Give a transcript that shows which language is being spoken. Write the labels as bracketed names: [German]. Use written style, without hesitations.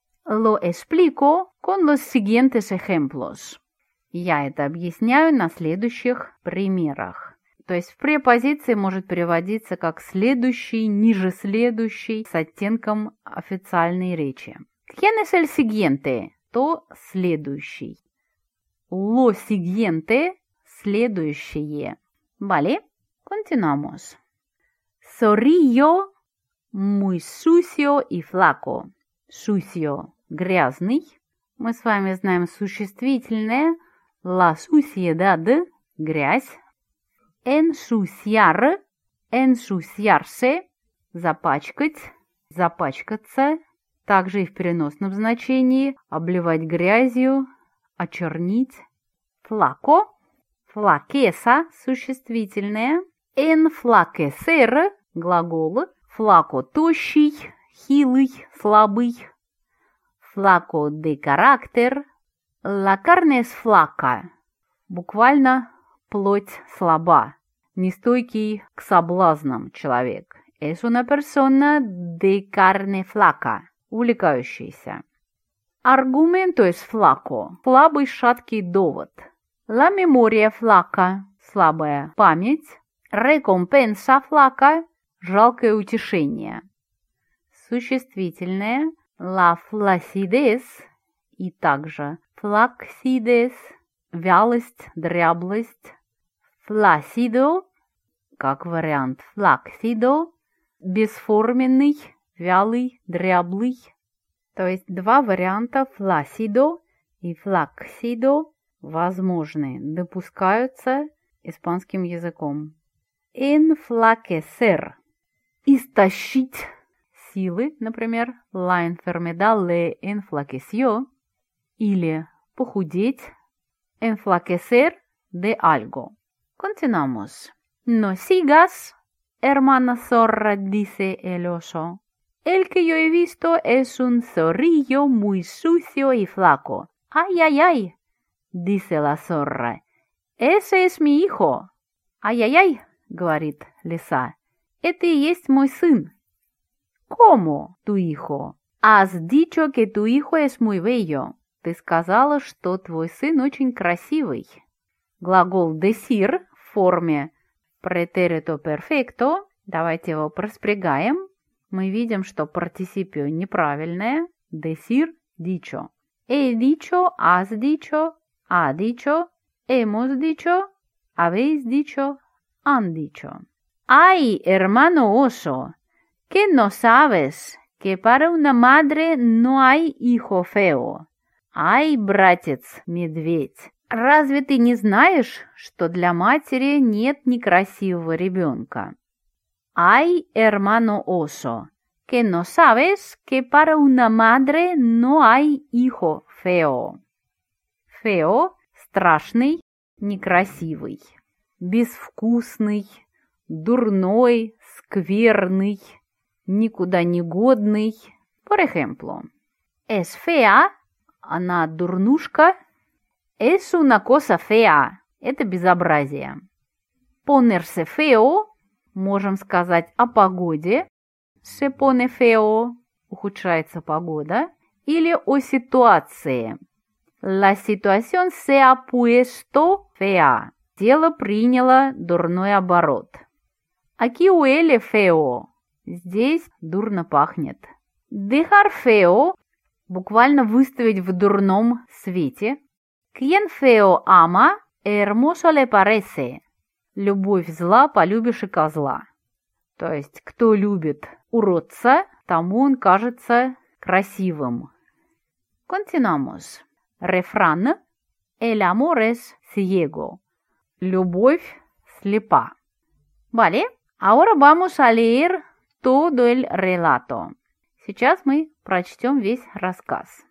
[Spanish] Lo explico con los siguientes ejemplos. [Russian] Я это объясняю на следующих примерах. То есть в препозиции может переводиться как следующий, ниже следующий, с оттенком официальной речи. [Spanish] ¿Quién es el siguiente? [Russian] То следующий. [Spanish] Lo siguiente – следующее. Vale, continuamos. Zorrillo, muy sucio y flaco. [Russian] Sucio – грязный. Мы с вами знаем существительное. [Spanish] La suciedad – грязь. [Russian] Ensuciar, ensuciarse, запачкать, запачкаться, также и в переносном значении, обливать грязью, очернить. [Spanish] Flaco, flaqueza, существительное. [Russian] Enflaquecer, глагол. Flaco, тощий, хилый, слабый. [Spanish] Flaco de carácter. La carne es flaca, [Russian] буквально плоть слаба. Нестойкий к соблазнам человек. [Spanish] Es una persona de carne flaca. Увлекающийся. Argumento es flaco. [Russian] Слабый, шаткий довод. [Spanish] La memoria flaca. [Russian] Слабая память. [Spanish] Recompensa flaca. [Russian] Жалкое утешение. Существительное. [Spanish] La flacidez. [Russian] И также flacidez. Вялость, дряблость. Flacido. Как вариант флаксидо, бесформенный, вялый, дряблый. То есть два варианта флаксидо и флаксидо возможны, допускаются испанским языком. [Spanish] Enflaquecer – [Russian] истощить силы, например, [Spanish] la enfermedad le enflaqueció, [Russian] или похудеть, [Spanish] enflaquecer de algo. Continuamos. No sigas, hermana zorra, dice el oso. El que yo he visto es un zorrillo muy sucio y flaco. ¡Ay, ay, ay! Dice la zorra. ¡Ese es mi hijo! ¡Ay, ay, ay! [Russian] Говорит лиса. Это и есть мой сын. [Spanish] ¿Cómo tu hijo? Has dicho que tu hijo es muy bello. [Russian] Ты сказала, что твой сын очень красивый. Глагол decir в форме Претерито перфекто. Давайте его проспрягаем. Мы видим, что партисипио неправильное. [Spanish] Decir – dicho. He dicho, has dicho, ha dicho, hemos dicho, habéis dicho, han dicho. Ay, hermano oso, ¿qué no sabes? Que para una madre no hay hijo feo. [Russian] Ay, братец, медведь. Разве ты не знаешь, что для матери нет некрасивого ребенка? [Spanish] Ay, hermano oso, que no sabes que para una madre no hay hijo feo. [Russian] Feo – страшный, некрасивый, безвкусный, дурной, скверный, никуда не годный. [Spanish] Por ejemplo, es fea – [Russian] она дурнушка. [Spanish] Es una cosa fea. [Russian] Это безобразие. [Spanish] Ponerse feo. [Russian] Можем сказать о погоде. [Spanish] Se pone feo. [Russian] Ухудшается погода. Или о ситуации. [Spanish] La situación se ha puesto fea. [Russian] Дело приняло дурной оборот. [Spanish] Aquí huele feo. [Russian] Здесь дурно пахнет. [Spanish] Dejar feo. [Russian] Буквально выставить в дурном свете. [Spanish] Quien feo ama, hermoso le parece. [Russian] Любовь зла, полюбишь и козла. То есть, кто любит уродца, тому он кажется красивым. [Spanish] Continuamos. Refrán: El amor es ciego. [Russian] Любовь слепа. [Spanish] Vale, ahora vamos a leer todo el relato. [Russian] Сейчас мы прочтем весь рассказ.